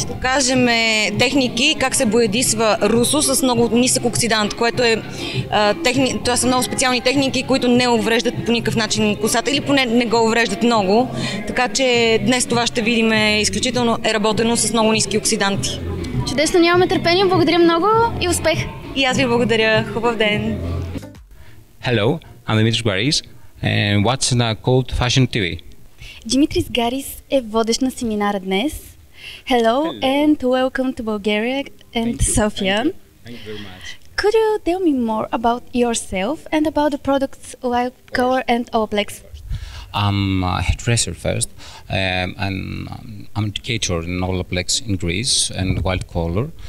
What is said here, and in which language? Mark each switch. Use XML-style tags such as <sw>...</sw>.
<bg>Ще покажем техники как се боядисва русо с много нисък оксидант, което е това са много специални техники, които не увреждат по никакъв начин косата или поне не го увреждат много. Така че днес това ще видим, изключително е работено с много ниски оксиданти. Чудесно, нямаме търпение. Благодаря много и успех! И аз ви благодаря. Хубав ден!</bg> <en>Hello, I'm Dimitris Garis and what's in a Code Fashion TV?</en> <bg>Dimitris Garis е водещ на семинара днес.</bg> <en>Hello and welcome to Bulgaria and Thank Sofia. Thank you very much. Could you tell me more about yourself and about the products like Color and Olaplex? I'm a hairdresser first and I'm an educator in Olaplex in Greece and Wild Color.</en>